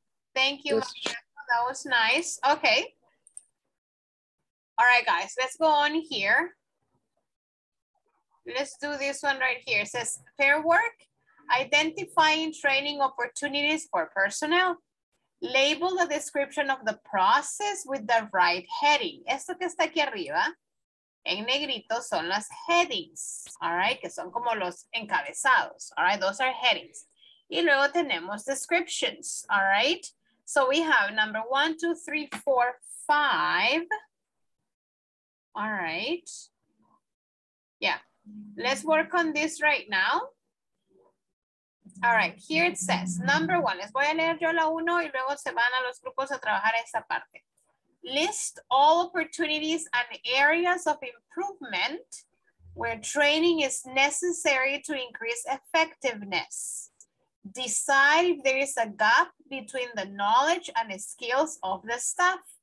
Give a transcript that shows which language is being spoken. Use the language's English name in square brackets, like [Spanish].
[English] Thank you. Yes. That was nice. Okay. All right, guys, let's go on here. Let's do this one right here. It says, fair work, identifying training opportunities for personnel. Label the description of the process with the right heading. [Spanish] Esto que está aquí arriba, en negrito, son las headings. [English] All right, [Spanish] que son como los encabezados. [English] All right, those are headings. [Spanish] Y luego tenemos [English] descriptions. All right, so we have number 1, 2, 3, 4, 5. All right. Yeah, let's work on this right now. All right, here it says, number one, [Spanish] les voy a leer yo la uno y luego se van a los grupos a trabajar esa parte. [English] List all opportunities and areas of improvement where training is necessary to increase effectiveness. Decide if there is a gap between the knowledge and the skills of the staff.